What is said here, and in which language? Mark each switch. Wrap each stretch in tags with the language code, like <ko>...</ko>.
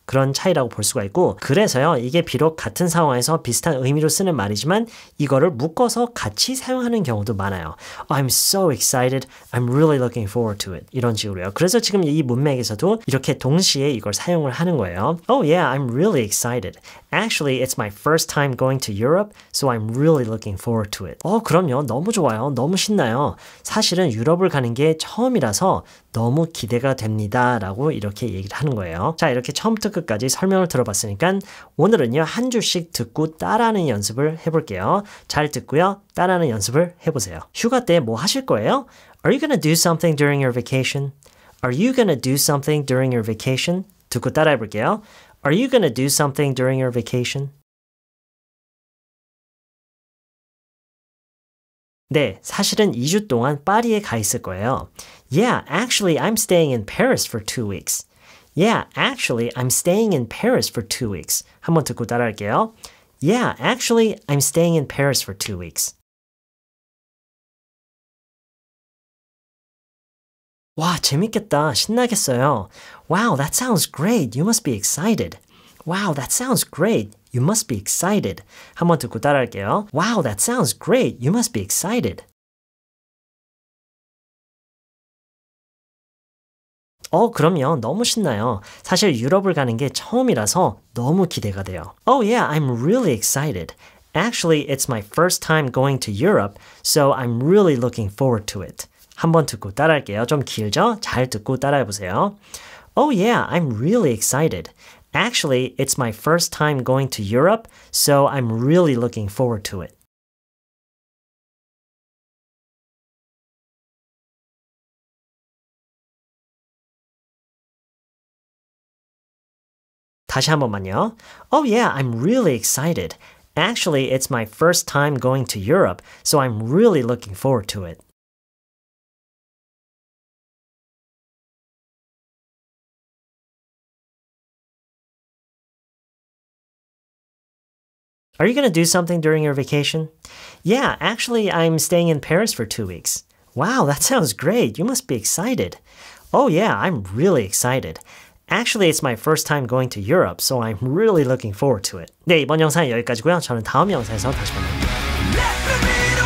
<ko>그런 차이라고 볼 수가 있고 그래서요 이게 비록 같은 상황에서 비슷한 의미로 쓰는 말이지만 이거를 묶어서 같이 사용하는 경우도 많아요.</ko> <en>I'm so excited. I'm really looking forward to it.</en> <ko>이런 식으로요. 그래서 지금 이 문맥에서도 이렇게 동시에 이걸 사용을 하는 거예요.</ko> <en>Oh yeah, I'm really excited. Actually, it's my first time going to Europe, so I'm really looking forward to it.</en> <ko>그럼요. 너무 좋아요. 너무 신나요. 사실은 유럽을 가는 게 처음이라서 너무 기대가 됩니다. 라고 이렇게 얘기를 하는 거예요. 자, 이렇게 처음부터 끝까지 설명을 들어봤으니까 오늘은요, 한 줄씩 듣고 따라하는 연습을 해볼게요. 잘 듣고요, 따라하는 연습을 해보세요. 휴가 때 뭐 하실 거예요?</ko> <en>Are you gonna do something during your vacation? Are you gonna do something during your vacation?</en> <ko>듣고 따라해볼게요.</ko> <en>Are you gonna do something during your vacation?</en> <ko>네, 사실은 2주 동안 파리에 가 있을 거예요.</ko> <en>Yeah, actually, I'm staying in Paris for 2 weeks. Yeah, actually, I'm staying in Paris for 2 weeks.</en> <ko>한번 듣고 따라할게요.</ko> <en>Yeah, actually, I'm staying in Paris for 2 weeks.</en> <ko>와, 재밌겠다. 신나겠어요.</ko> <en>Wow, that sounds great. You must be excited. Wow, that sounds great. You must be excited.</en> <ko>한번 듣고 따라할게요.</ko> <en>Wow, that sounds great. You must be excited.</en> <ko>그럼요. 너무 신나요. 사실 유럽을 가는 게 처음이라서 너무 기대가 돼요.</ko> <en>Oh yeah, I'm really excited. Actually, it's my first time going to Europe, so I'm really looking forward to it.</en> <ko>한번 듣고 따라할게요. 좀 길죠? 잘 듣고 따라해보세요.</ko> <en>Oh yeah, I'm really excited. Actually, it's my first time going to Europe, so I'm really looking forward to it.</en> <ko>다시 한 번만요.</ko> <en>Oh yeah, I'm really excited. Actually, it's my first time going to Europe, so I'm really looking forward to it. 'Are you going to do something during your vacation? Yeah, actually, I'm staying in Paris for 2 weeks. Wow, that sounds great. You must be excited. Oh yeah, I'm really excited. Actually, it's my first time going to Europe, so I'm really looking forward to it.</en> <ko>네, 이번 영상은 여기까지고요. 저는 다음 영상에서 다시 만나요.</ko>